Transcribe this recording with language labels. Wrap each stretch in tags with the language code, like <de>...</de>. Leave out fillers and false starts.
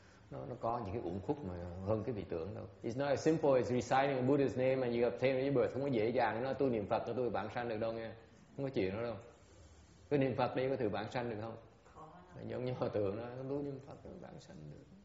<vi>Nó có những cái uẩn khúc mà hơn cái vị tưởng đâu.</vi> <en>It's not as simple as reciting a Buddha's name and you obtain rebirth.</en> <vi>Không có dễ dàng nói tôi niệm Phật tôi vãng sanh được đâu nghe. Không có chuyện đó đâu. Cứ niệm Phật đi có thử vãng sanh được không? Khó. Giống như họ tưởng nói tôi niệm Phật tôi vãng sanh được.</vi>